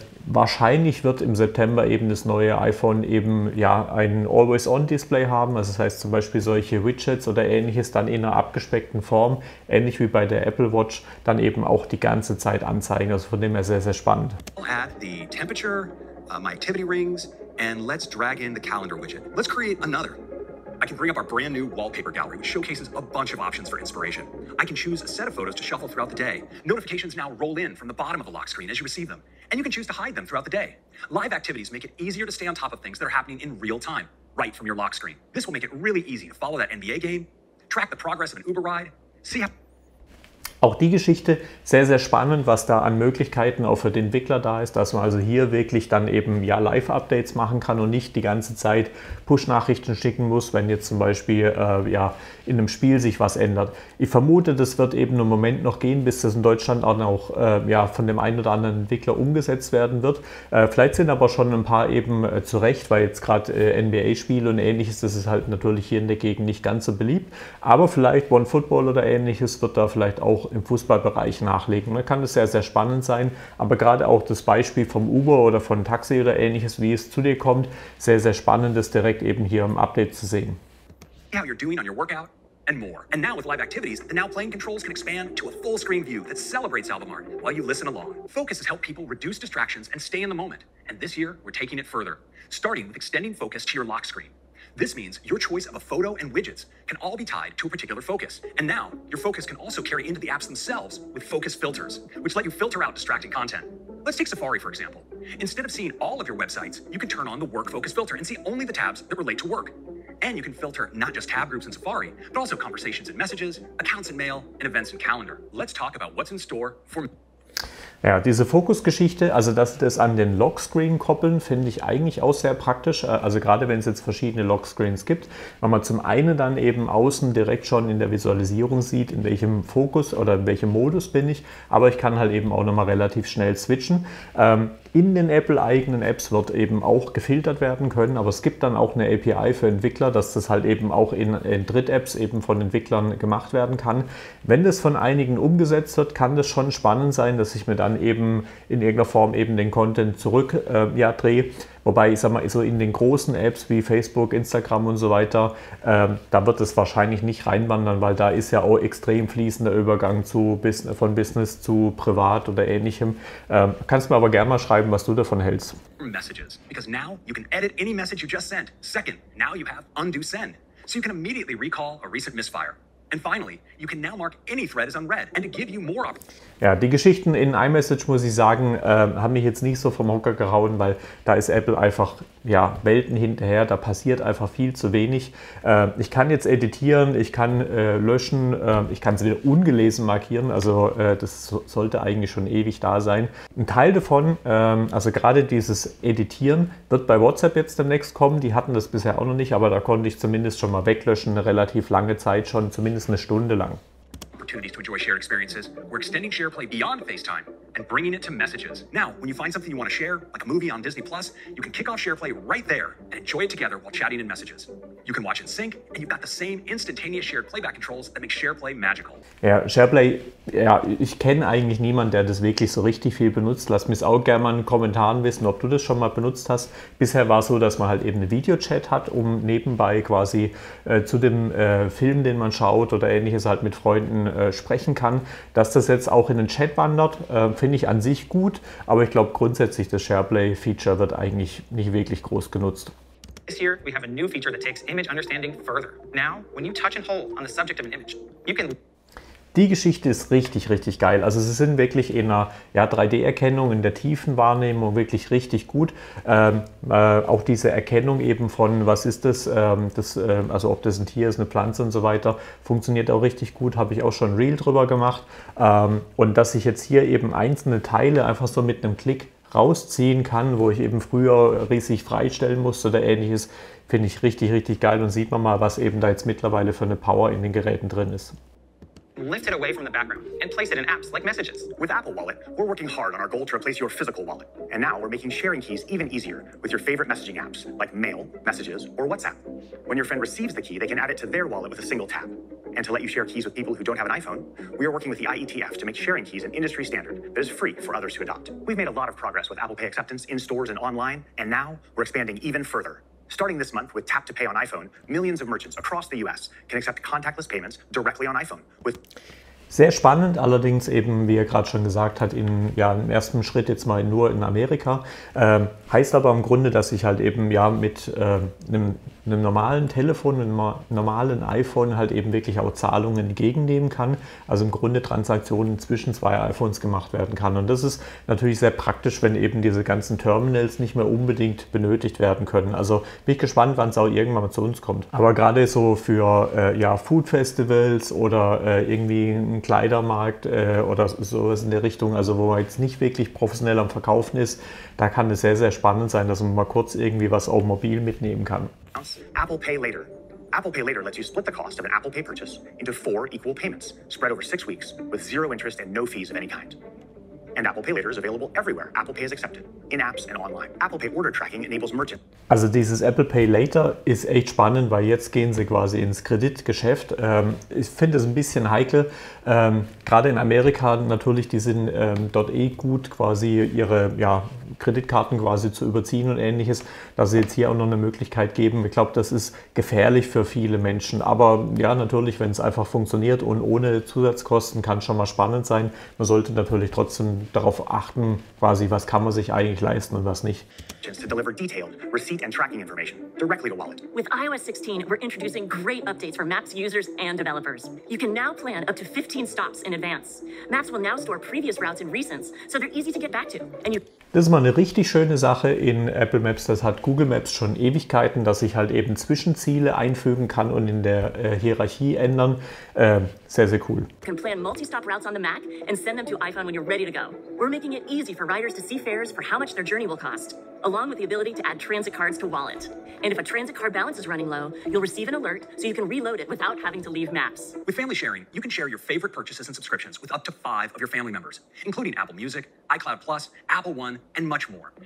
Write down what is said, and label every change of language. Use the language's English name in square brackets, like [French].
[German] Wahrscheinlich wird im September eben das neue iPhone eben ja ein Always-On-Display haben, also das heißt zum Beispiel solche Widgets oder ähnliches dann in einer abgespeckten Form, ähnlich wie bei der Apple Watch, dann eben auch die ganze Zeit anzeigen, also von dem her sehr, sehr spannend. [English] I'll add the temperature, my activity rings, and let's drag in the calendar widget. Let's create another. I can bring up our brand new wallpaper gallery, which showcases a bunch of options for inspiration. I can choose a set of photos to shuffle throughout the day. Notifications now roll in from the bottom of the lock screen as you receive them. And you can choose to hide them throughout the day. Live activities make it easier to stay on top of things that are happening in real time, right from your lock screen. This will make it really easy to follow that NBA game, track the progress of an Uber ride, see how... [German] Auch die Geschichte, sehr, sehr spannend, was da an Möglichkeiten auch für den Entwickler da ist, dass man also hier wirklich dann eben ja Live-Updates machen kann und nicht die ganze Zeit Push-Nachrichten schicken muss, wenn jetzt zum Beispiel in einem Spiel sich was ändert. Ich vermute, das wird eben im Moment noch gehen, bis das in Deutschland auch noch von dem einen oder anderen Entwickler umgesetzt werden wird. Vielleicht sind aber schon ein paar eben zurecht, weil jetzt gerade NBA-Spiele und ähnliches, das ist halt natürlich hier in der Gegend nicht ganz so beliebt. Aber vielleicht One Football oder ähnliches wird da vielleicht auch im Fußballbereich nachlegen. Da kann das sehr, sehr spannend sein. Aber gerade auch das Beispiel vom Uber oder von Taxi oder ähnliches, wie es zu dir kommt, sehr, sehr spannend, das direkt eben hier im Update zu sehen. [English] How you're doing on your workout and more. And now with live activities, the now playing controls can expand to a full screen view that celebrates album art while you listen along. Focus has helped people reduce distractions and stay in the moment. And this year, we're taking it further, starting with extending focus to your lock screen. This means your choice of a photo and widgets can all be tied to a particular focus. And now, your focus can also carry into the apps themselves with focus filters, which let you filter out distracting content. Let's take Safari, for example. Instead of seeing all of your websites, you can turn on the work focus filter and see only the tabs that relate to work. And you can filter not just tab groups in Safari, but also conversations and messages, accounts in mail, and events in calendar. Let's talk about what's in store for... [German] Ja, diese Fokusgeschichte, also dass sie das an den Lockscreen koppeln, finde ich eigentlich auch sehr praktisch. Also gerade wenn es jetzt verschiedene Lockscreens gibt, weil man zum einen dann eben außen direkt schon in der Visualisierung sieht, in welchem Fokus oder in welchem Modus bin ich, aber ich kann halt eben auch nochmal relativ schnell switchen. In den Apple-eigenen Apps wird eben auch gefiltert werden können, aber es gibt dann auch eine API für Entwickler, dass das halt eben auch in Dritt-Apps eben von Entwicklern gemacht werden kann. Wenn das von einigen umgesetzt wird, kann das schon spannend sein, dass ich mir dann eben in irgendeiner Form eben den Content zurück drehe. Wobei, ich sag mal, so in den großen Apps wie Facebook, Instagram und so weiter, da wird es wahrscheinlich nicht reinwandern, weil da ist ja auch extrem fließender Übergang von Business zu Privat oder Ähnlichem. Kannst du mir aber gerne mal schreiben, was du davon hältst. [English] Messages. Because now you can edit any message you just sent. Second, now you have undo send. So you can immediately recall a recent misfire. And finally, you can now mark any thread as unread and to give you more options. [German] Ja, die Geschichten in iMessage, muss ich sagen, haben mich jetzt nicht so vom Hocker gehauen, weil da ist Apple einfach ja, Welten hinterher, da passiert einfach viel zu wenig. Ich kann jetzt editieren, ich kann löschen, ich kann es wieder ungelesen markieren, also das sollte eigentlich schon ewig da sein. Ein Teil davon, also gerade dieses Editieren, wird bei WhatsApp jetzt demnächst kommen, die hatten das bisher auch noch nicht, aber da konnte ich zumindest schon mal weglöschen, eine relativ lange Zeit schon, zumindest eine Stunde lang. [English] Opportunities to enjoy shared experiences. We're extending Shareplay beyond FaceTime and bringing it to messages. Now, when you find something you want to share, like a movie on Disney Plus, you can kick off Shareplay right there and enjoy it together while chatting in messages. You can watch in sync and you've got the same instantaneous shared playback controls that make Shareplay magical. [German] Ja, Shareplay, ja, ich kenne eigentlich niemanden, der das wirklich so richtig viel benutzt. Lass mich auch gerne mal in den Kommentaren wissen, ob du das schon mal benutzt hast. Bisher war es so, dass man halt eben einen Videochat hat, um nebenbei quasi zu dem Film, den man schaut oder ähnliches, halt mit Freunden sprechen kann. Dass das jetzt auch in den Chat wandert, finde ich an sich gut, aber ich glaube grundsätzlich, das Shareplay-Feature wird eigentlich nicht wirklich groß genutzt. [English] This year, we have a new feature that takes image understanding further. Now, when you touch and hold on the subject of an image, you can... [German] Die Geschichte ist richtig, richtig geil. Also sie sind wirklich in einer, ja, 3D-Erkennung, in der tiefen Wahrnehmung wirklich richtig gut. Auch diese Erkennung eben von, was ist das, also ob das ein Tier ist, eine Pflanze und so weiter, funktioniert auch richtig gut. Habe ich auch schon Reel drüber gemacht. Und dass ich jetzt hier eben einzelne Teile einfach so mit einem Klick rausziehen kann, wo ich eben früher riesig freistellen musste oder ähnliches, finde ich richtig, richtig geil. Und sieht man mal, was eben da jetzt mittlerweile für eine Power in den Geräten drin ist. [English] Lift it away from the background and place it in apps like Messages. With Apple Wallet, we're working hard on our goal to replace your physical wallet. And now we're making sharing keys even easier with your favorite messaging apps like Mail, Messages, or WhatsApp. When your friend receives the key, they can add it to their wallet with a single tap. And to let you share keys with people who don't have an iPhone, we are working with the IETF to make sharing keys an industry standard that is free for others to adopt. We've made a lot of progress with Apple Pay acceptance in stores and online, and now we're expanding even further. Starting this month with Tap to Pay on iPhone, millions of merchants across the US can accept contactless payments directly on iPhone. [German] Sehr spannend, allerdings eben, wie er gerade schon gesagt hat, in, ja, im ersten Schritt jetzt mal nur in Amerika. Heißt aber im Grunde, dass ich halt eben, ja, mit einem normalen Telefon, einem normalen iPhone halt eben wirklich auch Zahlungen entgegennehmen kann. Also im Grunde Transaktionen zwischen zwei iPhones gemacht werden kann. Und das ist natürlich sehr praktisch, wenn eben diese ganzen Terminals nicht mehr unbedingt benötigt werden können. Also bin ich gespannt, wann es auch irgendwann mal zu uns kommt. Aber gerade so für ja, Food-Festivals oder irgendwie einen Kleidermarkt oder sowas in der Richtung, also wo man jetzt nicht wirklich professionell am Verkaufen ist, da kann es sehr, sehr spannend sein, dass man mal kurz irgendwie was auf mobil mitnehmen kann. [English] Apple Pay Later. Apple Pay Later lets you split the cost of an Apple Pay purchase into four equal payments, spread over 6 weeks, with zero interest and no fees of any kind. And Apple Pay Later is available everywhere. Apple Pay is accepted in apps and online. Apple Pay Order Tracking enables merchant. [German] Also dieses Apple Pay Later ist echt spannend, weil jetzt gehen sie quasi ins Kreditgeschäft. Ich finde es ein bisschen heikel. Gerade in Amerika natürlich, die sind dort eh gut, quasi ihre, ja, Kreditkarten quasi zu überziehen und ähnliches, dass sie jetzt hier auch noch eine Möglichkeit geben. Ich glaube, das ist gefährlich für viele Menschen. Aber ja, natürlich, wenn es einfach funktioniert und ohne Zusatzkosten, kann schon mal spannend sein. Man sollte natürlich trotzdem darauf achten, quasi, was kann man sich eigentlich leisten und was nicht. [English] To deliver detailed receipt and tracking information directly to wallet. With iOS 16, we're introducing great updates for Maps users and developers. You can now plan up to 15 stops in advance. Maps will now store previous routes and recents, so they're easy to get back to. And you... [German] Das ist mal eine richtig schöne Sache in Apple Maps. Das hat Google Maps schon Ewigkeiten, dass ich halt eben Zwischenziele einfügen kann und in der Hierarchie ändern. Sehr, sehr cool. [English] You can plan multi-stop routes on the Mac and send them to iPhone when you're ready to go. We're making it easy for riders to see fares for how much their journey will cost, along with the ability to add transit cards to wallet. And if a transit card balance is running low, you'll receive an alert so you can reload it without having to leave Maps. With family sharing, you can share your favorite purchases and subscriptions with up to 5 of your family members, including Apple Music, iCloud Plus, Apple One, and much more.